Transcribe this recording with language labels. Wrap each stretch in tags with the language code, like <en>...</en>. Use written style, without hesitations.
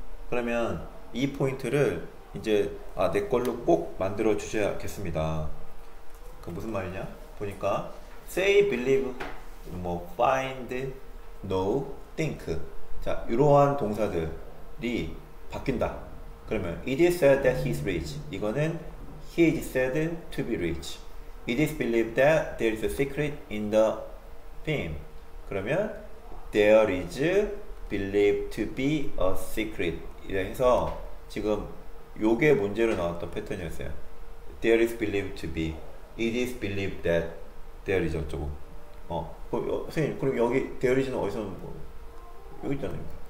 <ko>그러면 이 포인트를 이제 아, 내 걸로 꼭 만들어 주셔야겠습니다. 그 무슨 말이냐? 보니까 say, believe, 뭐 find, know, think. 자, 이러한 동사들이 바뀐다.</ko> <en>그러면 it is said that he is rich. 이거는 he is said to be rich. It is believed that there is a secret in the theme. 그러면 there is believed to be a secret.</en> <ko>이래서 지금 요게 문제로 나왔던 패턴이었어요.</ko> <en>There is believed to be. It is believed that there is 어쩌고.</en> <ko>선생님, 그럼 여기 there is는 어디서 오는 거예요? 여기 있잖아요.</ko>